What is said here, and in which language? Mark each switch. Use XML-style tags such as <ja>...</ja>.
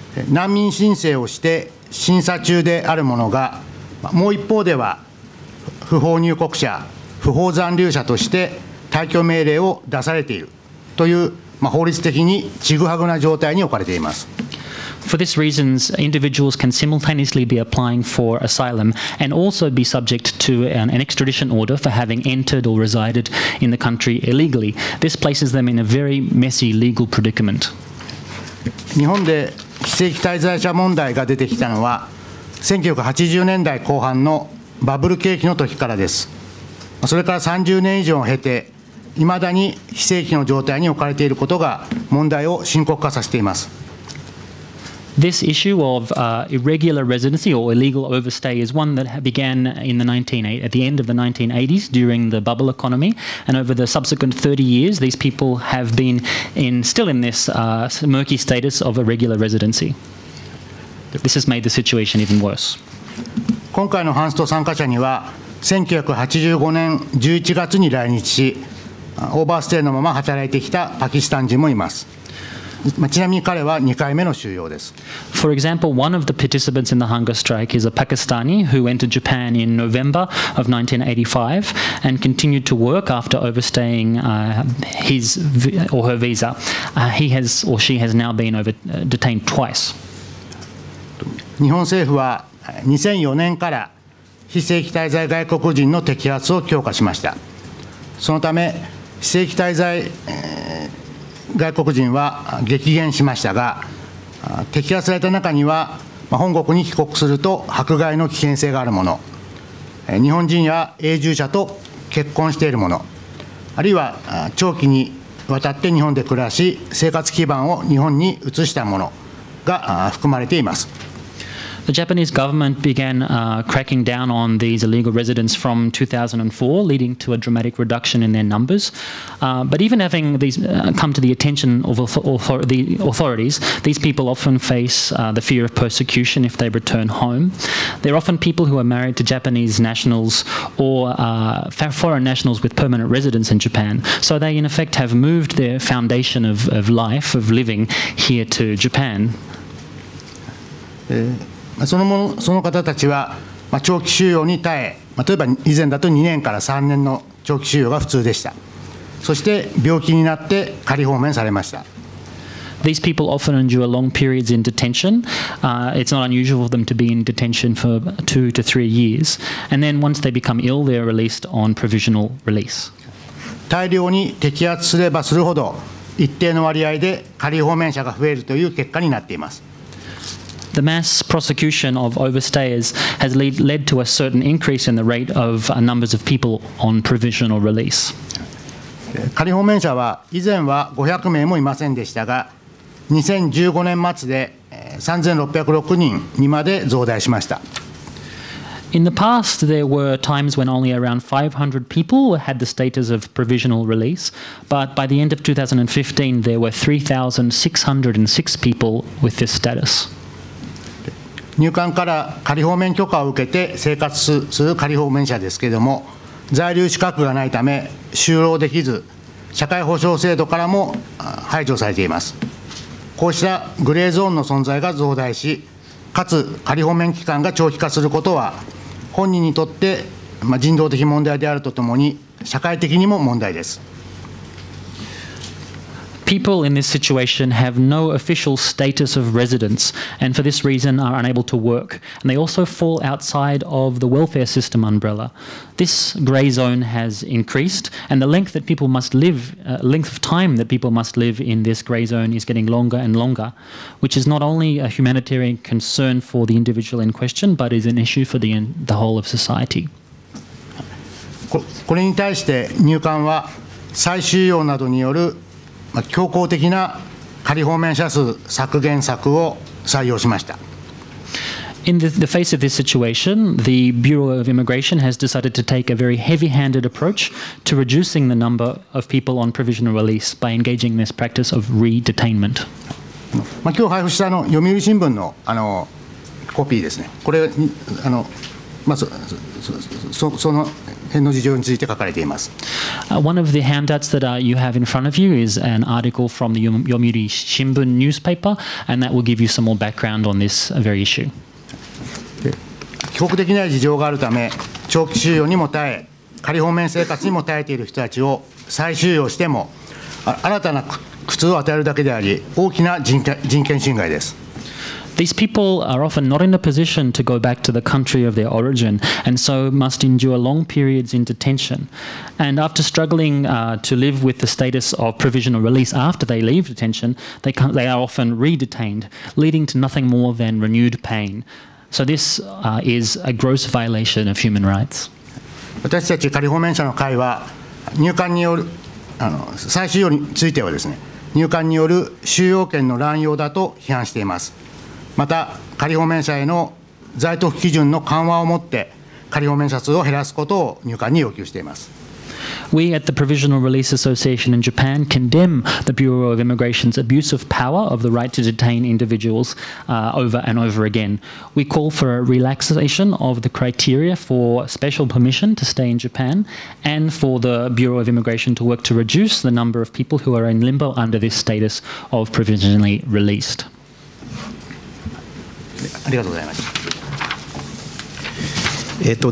<ja>難民申請をして審査中である者が、もう一方では不法入国者、不法残留者として退去命令を出されているという、法律的にちぐはぐな状態に置かれています。</ja> <en>For this reason, individuals can simultaneously be applying for asylum and also be subject to an extradition order for having entered or resided in the country illegally. This places them in a very messy legal predicament.</en> <ja>日本で非正規滞在者問題が出てきたのは、1980年代後半のバブル景気の時からです。それから30年以上を経て、いまだに非正規の状態に置かれていることが問題を深刻化させています。</ja> <en>This issue of irregular residency or illegal overstay is one that began in at the end of the 1980s during the bubble economy, and over the subsequent 30 years, these people have been still in this murky status of irregular residency. This has made the situation even worse.</en> <ja>今回のハンスト参加者には1985年11月に来日し、オーバーステイのまま働いてきたパキスタン人もいます。ちなみに彼は2回目の収容です。</ja> <en>For example, one of the participants in the hunger strike is a Pakistani who entered Japan in November of 1985 and continued to work after overstaying his or her visa. He has or she has now been detained twice.</en> <ja>日本政府は2004年から非正規滞在外国人の摘発を強化しました。そのため非正規滞在外国人は激減しましたが、摘発された中には本国に帰国すると迫害の危険性があるもの、日本人や永住者と結婚しているもの、あるいは長期にわたって日本で暮らし生活基盤を日本に移したものが含まれています。</ja> <en>The Japanese government began cracking down on these illegal residents from 2004, leading to a dramatic reduction in their numbers. But even having these come to the attention of the authorities, these people often face the fear of persecution if they return home. They're often people who are married to Japanese nationals or foreign nationals with permanent residence in Japan. So they, in effect, have moved their foundation of life, of living here to Japan.</en> <ja>その方たちは長期収容に耐え、例えば以前だと2年から3年の長期収容が普通でした。そして病気になって仮放免されました。</ja> <en>These people often endure long periods in detention. It's not unusual for them to be in detention for 2 to 3 years. And then once they become ill, they're released on provisional release.</en> <ja>大量に摘発すればするほど一定の割合で仮放免者が増えるという結果になっています。</ja> <en>The mass prosecution of overstayers has led to a certain increase in the rate of numbers of people on provisional release.</en> <ja>仮放免者は以前は500名もいませんでしたが、2015年末で3606人にまで増大しました。</ja> <en>In the past, there were times when only around 500 people had the status of provisional release, but by the end of 2015, there were 3,606 people with this status.</en> <ja>入管から仮放免許可を受けて生活する仮放免者ですけれども、在留資格がないため就労できず、社会保障制度からも排除されています。こうしたグレーゾーンの存在が増大し、かつ仮放免期間が長期化することは、本人にとって人道的問題であるとともに、社会的にも問題です。</ja> <en>People in this situation have no official status of residence and for this reason are unable to work, and they also fall outside of the welfare system umbrella. This gray zone has increased, and the length that people must live, length of time that people must live in this gray zone is getting longer and longer, which is not only a humanitarian concern for the individual in question, but is an issue for the whole of society.</en> <ja>これに対して入管は再収容などによる強硬的な仮放免者数削減策を採用しました。</ja> <en>In the face of this situation, the Bureau of Immigration has decided to take a very heavy-handed approach to reducing the number of people on provisional release by engaging this practice of re-detainment.</en> <ja>今日配布した読売新聞のコピーですね。これその辺の事情について書かれています。</ja> <en>One of the handouts that you have in front of you is an article from the Yomiuri Shimbun newspaper, and that will give you some more background on this very issue.</en> <ja>帰国できない事情があるため、長期収容にも耐え、仮放免生活にも耐えている人たちを再収容しても、新たな苦痛を与えるだけであり、大きな人権侵害です。</ja> <en>These people are often not in a position to go back to the country of their origin and so must endure long periods in detention. And after struggling to live with the status of provisional release after they leave detention, they are often re-detained, leading to nothing more than renewed pain. So this is a gross violation of human rights.</en> <ja>私たち仮放免者の会は入管による再収容についてはですね、入管による収容権の乱用だと批判しています。また仮放免者への在得基準の緩和をもって仮放免者数を減らすことを入管に要求しています。</ja> <en>We at the Provisional Release Association in Japan condemn the Bureau of Immigration's abuse of power of the right to detain individuals over and over again. We call for a relaxation of the criteria for special permission to stay in Japan and for the Bureau of Immigration to work to reduce the number of people who are in limbo under this status of provisionally released.</en> <ja>ありがとうございました。</ja>